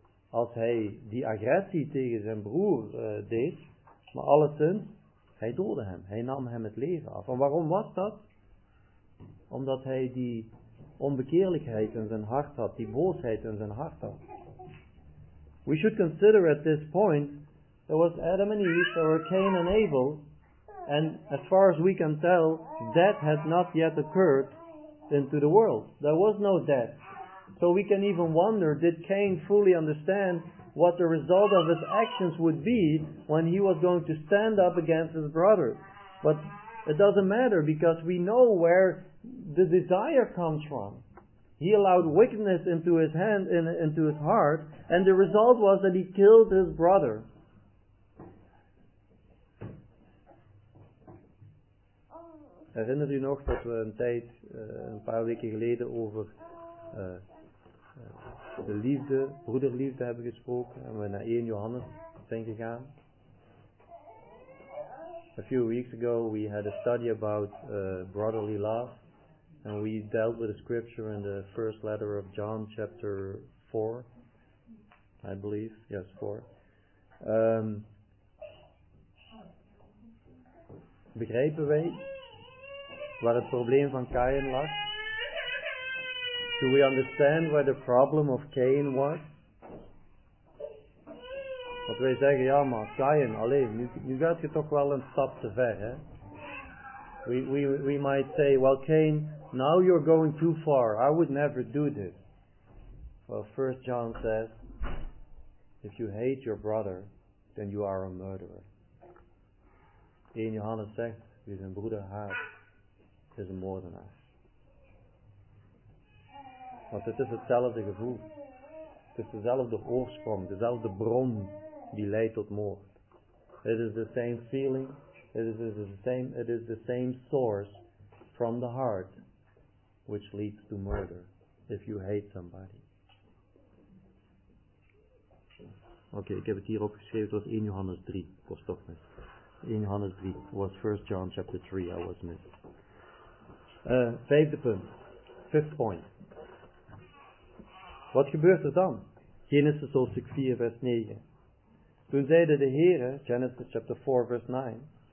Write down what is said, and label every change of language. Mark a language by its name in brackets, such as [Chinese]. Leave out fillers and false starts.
[Dutch] Als hij die agressie tegen zijn broer deed, maar alleszins, hij doodde hem. Hij nam hem het leven af. En waarom was dat? Omdat hij die onbekeerlijkheid in zijn hart had, die boosheid in zijn hart had. [English] We should consider at this point, there was Adam and Eve, there were Cain and Abel, and as far as we can tell, death had not yet occurred into the world. There was no death. So we can even wonder, did Caïn fully understand what the result of his actions would be when he was going to stand up against his brother? But it doesn't matter because we know where the desire comes from. He allowed wickedness into his hand, into his heart, and the result was that he killed his brother. [Dutch] Herinner u nog dat we een tijd, een paar weken geleden, over de liefde, broederliefde hebben gesproken en we naar 1 Johannes zijn gegaan? [English] A few weeks ago we had a study about brotherly love and we dealt with a scripture in the first letter of John chapter 4, I believe, yes, 4. [Dutch] Begrijpen wij waar het probleem van Cain lag? [English] Do we understand where the problem of Cain was? [Dutch] Want wij zeggen, ja maar, Cain, alleen, nu gaat je toch wel een stap te ver, hè? [English] We might say, well, Cain, now you're going too far. I would never do this. Well, 1 John says, if you hate your brother, then you are a murderer. [Dutch] 1 Johannes zegt, wie zijn broeder haat, is een moordenaar. Want het is hetzelfde gevoel. Het is dezelfde oorsprong, dezelfde bron die leidt tot moord. [English] It is the same feeling. It is the same source from the heart which leads to murder if you hate somebody. [Dutch] Oké, ik heb het hier opgeschreven. Het was 1 Johannes 3. Ik was toch mis. 1 Johannes 3. Het was [English] 1 John chapter 3. I was [Dutch] mis. Vijfde punt. [English] Fifth point. [Dutch] Wat gebeurt er dan? Genesis hoofdstuk 4 vers 9. Toen zeide de Heere, [English] Genesis chapter 4 [Dutch] vers 9.